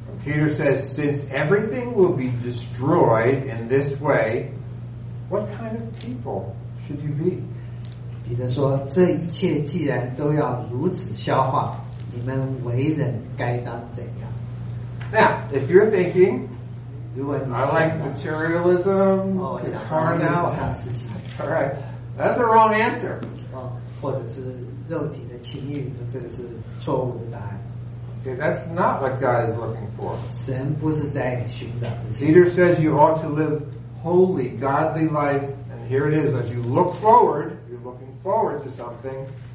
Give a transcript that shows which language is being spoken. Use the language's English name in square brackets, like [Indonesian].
[English] Peter says, since everything will be destroyed in this way, what kind of people should you be? [Chinese] 彼得说这一切既然都要如此消化 [English] Now, if you're thinking, I like materialism, carnal, alright, that's the wrong answer. [Chinese] 或者是肉体的情欲，这个是错误的答案。Okay, [English] that's not what God is looking for. [Chinese] 神不是在寻找这些。 [English] Peter says you ought to live holy, godly lives, and here it is, as you look forward, you're looking forward to something.